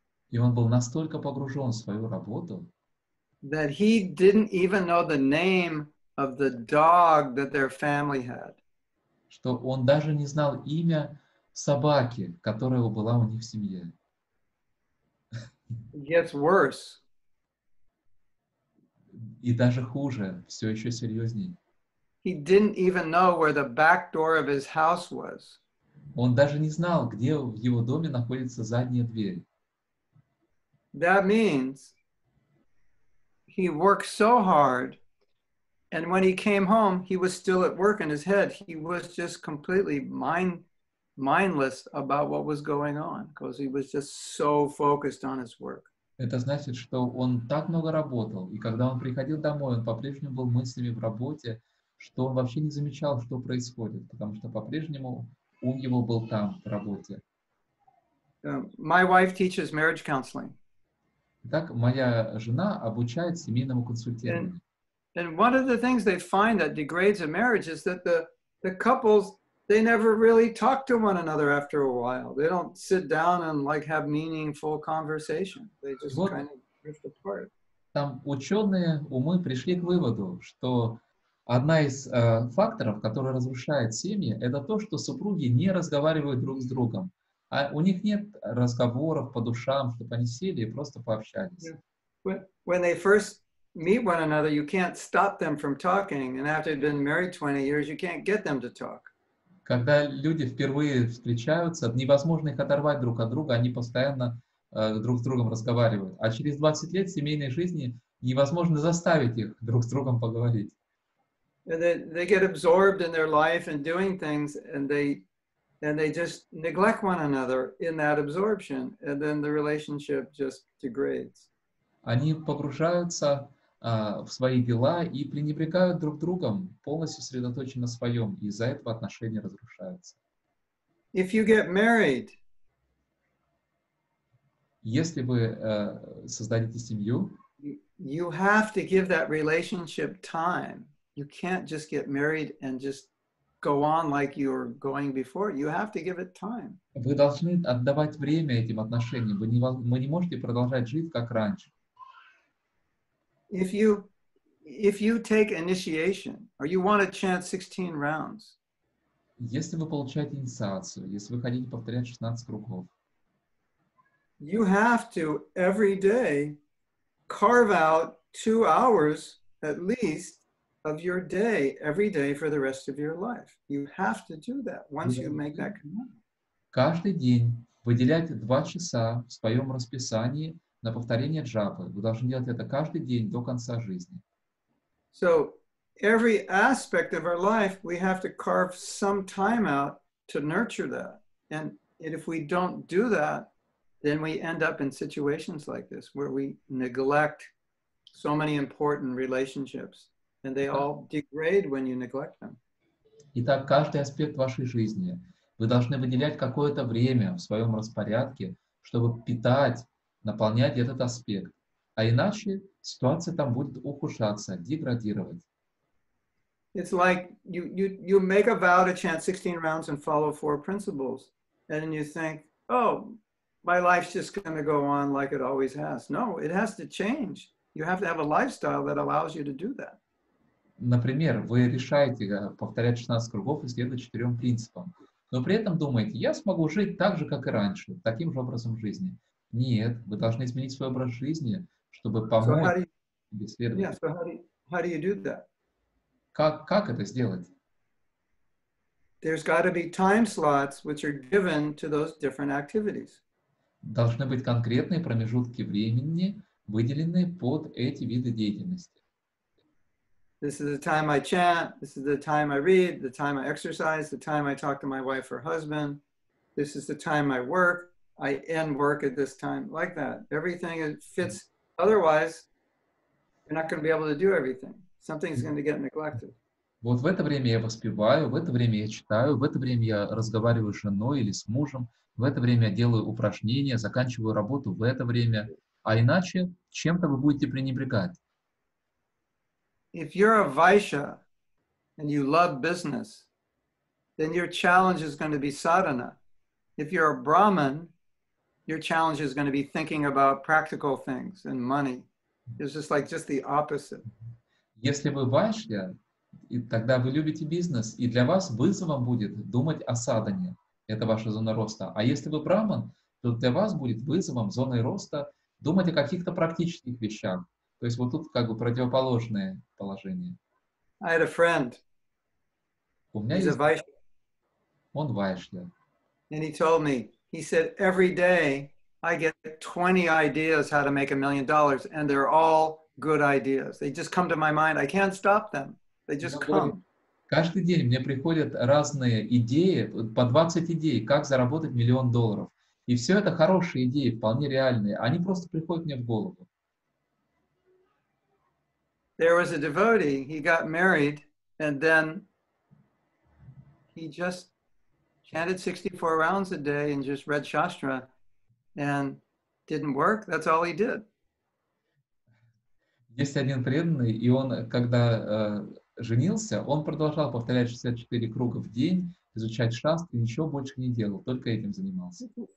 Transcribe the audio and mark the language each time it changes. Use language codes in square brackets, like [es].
[ru] и он был настолько погружен в свою работу, [en] that he didn't even know the name of the dog that their family had. [ru] Что он даже не знал имя собаки, которая была у них в семье. [en] It gets worse. [ru] И даже хуже, все еще серьезней. [en] He didn't even know where the back door of his house was. [ru] Он даже не знал, где в его доме находится задняя дверь. [en] That means he worked so hard. And when he came home, he was still at work in his head. He was just completely mindless about what was going on, because he was just so focused on his work. [ru] Это значит, что он так много работал, и когда он приходил домой, он по-прежнему был мыслями в работе, что он вообще не замечал, что происходит, потому что по-прежнему ум его был там, в работе. [en] My wife teaches marriage counseling. [ru] Итак, моя жена обучает семейному консультированию. [en] And one of the things they find that degrades a marriage is that the couples, they never really talk to one another after a while. They don't sit down and like have meaningful conversation. They just вот kind of drift apart. [ru] Там ученые умы пришли к выводу, что одна из факторов, которая разрушает семьи, это то, что супруги не разговаривают друг с другом. А у них нет разговоров по душам, чтобы они сели и просто пообщались. Yeah. [en] When they first meet one another, you can't stop them from talking, and after they've been married 20 years, you can't get them to talk. [ru] Когда люди впервые встречаются, невозможно их оторвать друг от друга, они постоянно друг с другом разговаривают. А через 20 лет семейной жизни невозможно заставить их друг с другом поговорить. [en] They get absorbed in their life and doing things, and they just neglect one another in that absorption, and then the relationship just degrades. [ru] Они погружаются в свои дела и пренебрегают друг другом, полностью сосредоточены на своем, и из-за этого отношения разрушаются. [en] If you get married, [ru] если вы создадите семью, [en] you have to give that relationship time. You can't just get married and just go on like you were going before. You have to give it time. [ru] Вы должны отдавать время этим отношениям. Вы не можете продолжать жить как раньше. [en] If you take initiation, or you want to chant 16 rounds, [ru] если вы получаете инициацию, если вы хотите повторять 16 кругов, [en] you have to every day carve out 2 hours at least of your day every day for the rest of your life. You have to do that once you make that commitment. [ru] Каждый день выделять 2 часа в своем расписании на повторение джапы. Вы должны делать это каждый день до конца жизни. [en] So, every aspect of our life, we have to carve some time out to nurture that. And if we don't do that, then we end up in situations like this, where we neglect so many important relationships. And they all degrade when you neglect them. [ru] Итак, каждый аспект вашей жизни. Вы должны выделять какое-то время в своем распорядке, чтобы питать, наполнять этот аспект, а иначе ситуация там будет ухудшаться, деградировать. [en] It's like you make a vow to chant 16 rounds and follow 4 principles, and then you think, oh, my life's just going to go on like it always has. No, it has to change. You have to have a lifestyle that allows you to do that. [ru] Например, вы решаете повторять 16 кругов и следовать 4 принципам, но при этом думаете, я смогу жить так же, как и раньше, таким же образом жизни. Нет, вы должны изменить свой образ жизни, чтобы помочь себе следовать. [en] Yeah, so how do you do that? [ru] Как это сделать? [en] There's got to be time slots which are given to those different activities. [ru] Должны быть конкретные промежутки времени, выделенные под эти виды деятельности. [en] This is the time I chant, this is the time I read, the time I exercise, the time I talk to my wife or husband, this is the time I work, I end work at this time, like that. Everything fits. Otherwise, you're not going to be able to do everything. Something's going to get neglected. [ru] Вот в это время я воспеваю, в это время я читаю, в это время я разговариваю с женой или с мужем, в это время я делаю упражнения, заканчиваю работу в это время. А иначе чем-то вы будете пренебрегать. [en] If you're a Vaishya and you love business, then your challenge is going to be sadhana. If you're a Brahmin, your challenge is going to be thinking about practical things and money. It's just like just the opposite. [ru] Если вы вайшья, тогда вы любите бизнес, и для вас вызовом будет думать о садхане. Это ваша зона роста. А если вы Брахман, то для вас будет вызовом зоной роста думать о каких-то практических вещах. То есть вот тут как бы противоположное положение. [en] I had a friend. [ru] У меня есть вайшья. Он вайшья. [en] And he told me, he said, every day I get 20 ideas how to make $1 million, and they're all good ideas. They just come to my mind. I can't stop them. They just come. [ru] Каждый день мне приходят разные идеи, по 20 идей, как заработать $1 million. И все это хорошие идеи, вполне реальные. Они просто приходят мне в голову. [en] There was a devotee, he got married, and then he just chanted 64 rounds a day and just read Shastra and didn't work. That's all he did. [ru] Есть один преданный, и он, когда женился, он продолжал повторять 64 круга в день, изучать Шастру, ничего больше не делал, только этим занимался.